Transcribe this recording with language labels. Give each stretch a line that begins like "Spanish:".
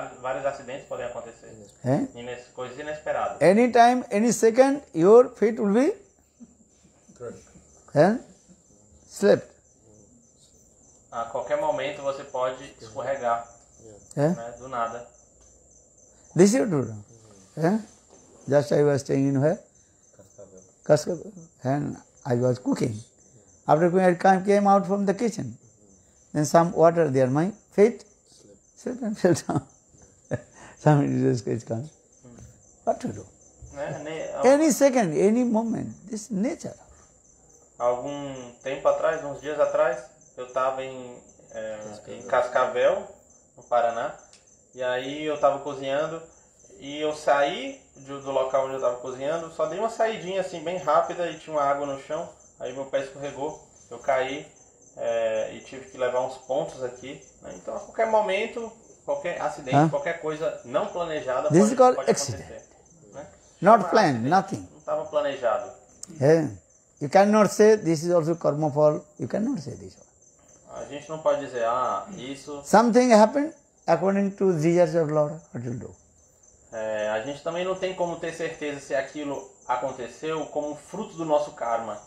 Portuguese: Vários acidentes podem acontecer. Coisas inesperadas.
English: Anytime, any second, your feet will be crushed. Slipped.
Portuguese: A qualquer momento você pode escorregar, né, do nada.
English: This you do. Just I was staying in where? Cascavel. And I was cooking. After cooking, I came out from the kitchen. Then some water there, my feet slip and fell down. Some Jesus Christ comes. What to do? Any second, any moment, this nature.
Portuguese: Algum tempo atrás, uns dias atrás, eu estava em Cascavel, no Paraná, e aí eu estava cozinhando, e eu saí do local onde eu estava cozinhando, só dei uma saidinha assim, bem rápida, e tinha uma água no chão, aí meu pé escorregou, eu caí, e tive que levar uns pontos aqui, né? Então a qualquer momento, qualquer acidente, qualquer coisa não planejada
English: This
Portuguese: pode acontecer.
English: This is called accident, né? Not planned, nothing.
Portuguese: Não estava planejado.
English: You cannot say this is also karma fall. You cannot say this.
Portuguese: A gente não pode dizer, isso.
English: Something happened according to desires of Lord. What you do?
Portuguese: A gente também não tem como ter certeza se aquilo aconteceu como fruto do nosso karma.